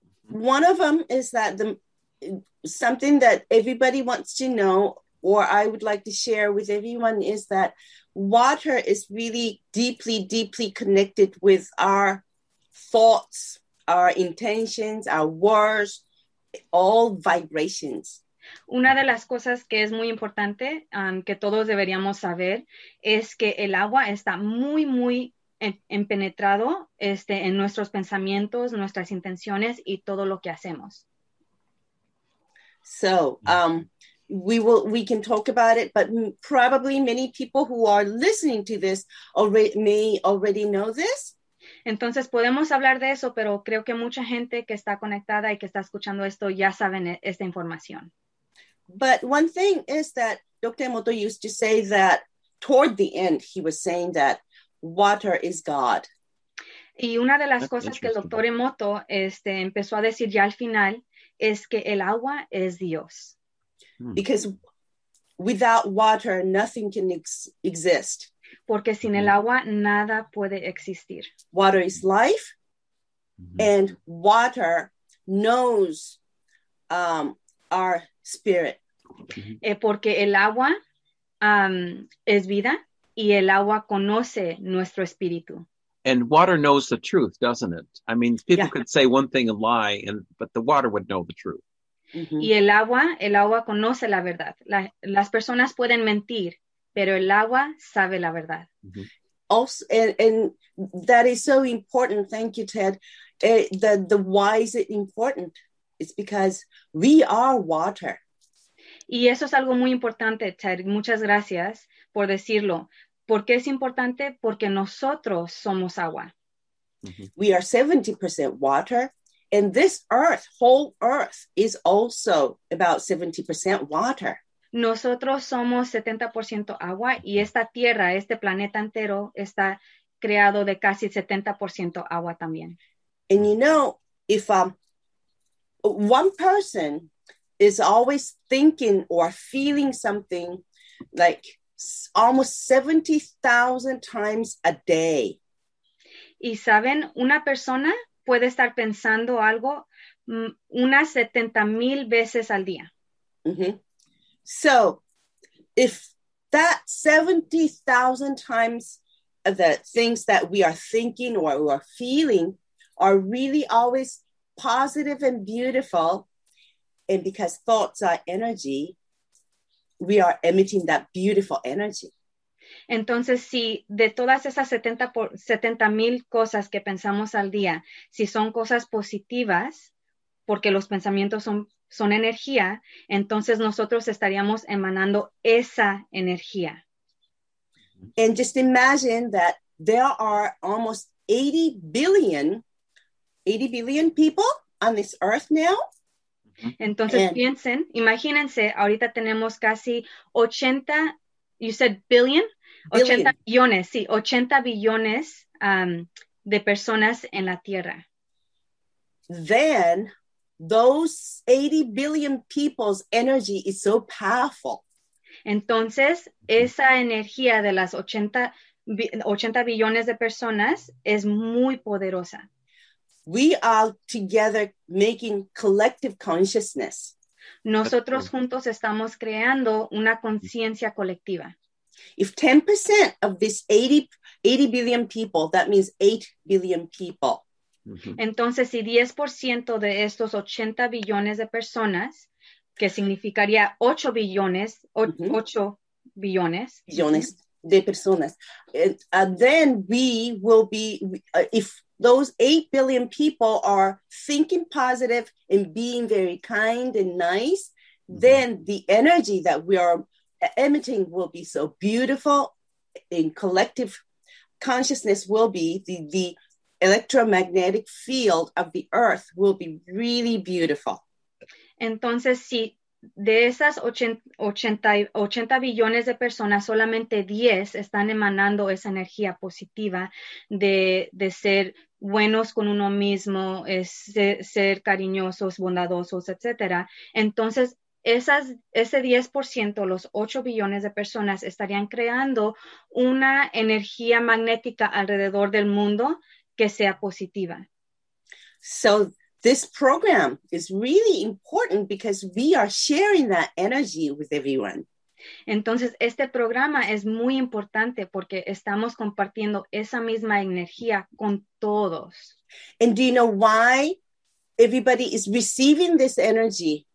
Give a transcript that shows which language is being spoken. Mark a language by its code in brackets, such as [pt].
[en] One of them is that something that everybody wants to know, or I would like to share with everyone, is that water is really deeply, deeply connected with our thoughts, our intentions, our words, all vibrations. [es] Una de las cosas que es muy importante que todos deberíamos saber es que el agua está muy, muy empenetrado en nuestros pensamientos, nuestras intenciones y todo lo que hacemos. [en] So, we can talk about it, but probably many people who are listening to this may already know this. [es] Entonces podemos hablar de eso, pero creo que mucha gente que está conectada y que está escuchando esto ya saben esta información. [en] But one thing is that Dr. Emoto used to say that toward the end, he was saying that water is God. [es] Y una de las [en] That's [es] cosas que el Dr. Emoto empezó a decir ya al final es que el agua es Dios. [en] Because without water, nothing can exist. [es] Porque sin el agua, nada puede existir. [en] Water is life, and water knows our spirit. [es] Porque el agua es vida, y el agua conoce nuestro espíritu. [en] And water knows the truth, doesn't it? I mean, people could say one thing and lie, but the water would know the truth. [es] Y el agua conoce la verdad. Las personas pueden mentir, pero el agua sabe la verdad. [en] Also, and that is so important. Thank you, Ted. The why is it important? It's because we are water. [es] Y eso es algo muy importante, Ted. Muchas gracias por decirlo. ¿Por qué es importante? Porque nosotros somos agua. [en] We are 70% water. And this earth, whole earth, is also about 70% water. [es] Nosotros somos 70% agua, y esta tierra, este planeta entero, está creado de casi 70% agua también. [en] And you know, if one person is always thinking or feeling something like almost 70,000 times a day. [es] Y saben, una persona puede estar pensando algo unas 70,000 veces al día. [en] So, if that 70,000 times the things that we are thinking or we are feeling are really always positive and beautiful, and because thoughts are energy, we are emitting that beautiful energy. [es] Entonces, si de todas esas 70,000 cosas que pensamos al día, si son cosas positivas, porque los pensamientos son energía, entonces nosotros estaríamos emanando esa energía. [en] And just imagine that there are almost 80 billion people on this earth now. [es] Entonces imagínense, ahorita tenemos casi 80, [en] you said billion? [es] 80 billones, sí, 80 billones de personas en la Tierra. [en] Then, those 80 billion people's energy is so powerful. [es] Entonces, esa energía de las 80 billones de personas es muy poderosa. [en] We are together making collective consciousness. [es] Nosotros juntos estamos creando una conciencia colectiva. [en] If 10% of this 80 billion people, that means 8 billion people. [es] Entonces, si 10% de estos 80 billones de personas, que significaría 8 billones, 8 billones. Billones de personas. [en] Then we will be, if those 8 billion people are thinking positive and being very kind and nice, then the energy that we are emitting will be so beautiful, and collective consciousness will be the electromagnetic field of the earth will be really beautiful. [es] Entonces, si de esas 80 billones de personas, solamente 10 están emanando esa energía positiva de ser buenos con uno mismo, ser cariñosos, bondadosos, etcétera, entonces ese 10%, los 8 billones de personas, estarían creando una energía magnética alrededor del mundo que sea positiva. [en] So this program is really important because we are sharing that energy with everyone. [es] Entonces, este programa es muy importante porque estamos compartiendo esa misma energía con todos. [en] And do you know why everybody is receiving this energy?